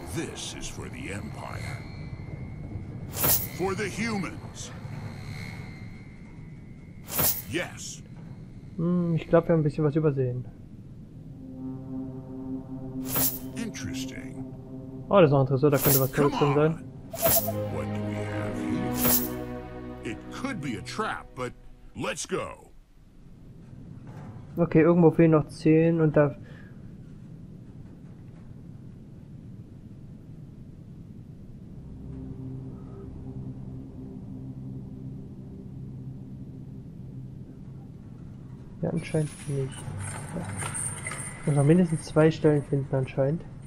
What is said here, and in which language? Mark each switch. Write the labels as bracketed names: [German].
[English] This is for the Empire. For the humans. [German] Yes. Ich glaube, wir haben ein bisschen was übersehen. Interesting. Oh, das ist noch ein Tresor, da könnte was zurück drin sein. [English] What do we have here? It could be a trap, but let's go. [German] Okay, irgendwo fehlen noch 10 und da. Ja, anscheinend nicht. Ich muss noch mindestens 2 Stellen finden, anscheinend.